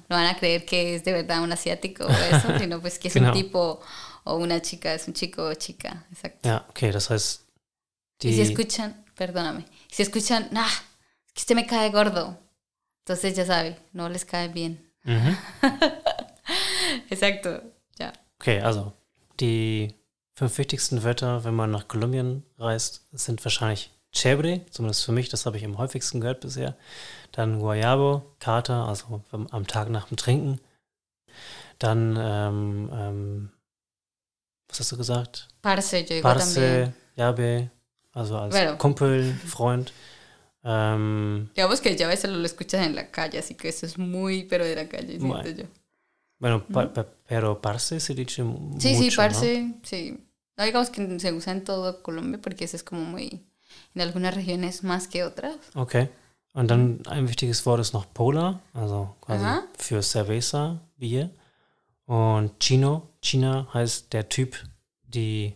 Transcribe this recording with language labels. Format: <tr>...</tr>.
<es>No van a creer que es de verdad un asiático o eso, sino pues que es un tipo o una chica, es un chico o chica. Exacto.</es> <de>Ya, yeah, ok, das heißt.</de> <es>Y si escuchan, perdóname. Si escuchan, ¡ah! Es que usted me cae gordo. Entonces ya sabe, no les cae bien. Uh-huh. Exacto, ja.</es> <de>Okay, also die 5 wichtigsten Wörter, wenn man nach Kolumbien reist, sind wahrscheinlich Chévere, zumindest für mich, das habe ich am häufigsten gehört bisher. Dann Guayabo, Kater, also am Tag nach dem Trinken. Dann, was hast du gesagt?</de> <es>Parce, yo digo Parce, también. Yabe,</es> <de>also als</de> <es>bueno.</es> <de>Kumpel, Freund.</de> <es>Digamos que ya a veces lo escuchas en la calle, así que eso es muy pero de la calle, siento bueno. Yo. Bueno, pero parce se dice mucho, sí, parce, ¿no? Sí. No, digamos que se usa en todo Colombia porque eso es como muy... En algunas regiones más que otras.</es> <en>Okay.</en> <de>Und dann ein wichtiges Wort ist noch Pola, also quasi für Cerveza, Bier. Und Chino, China heißt der Typ, die...</de>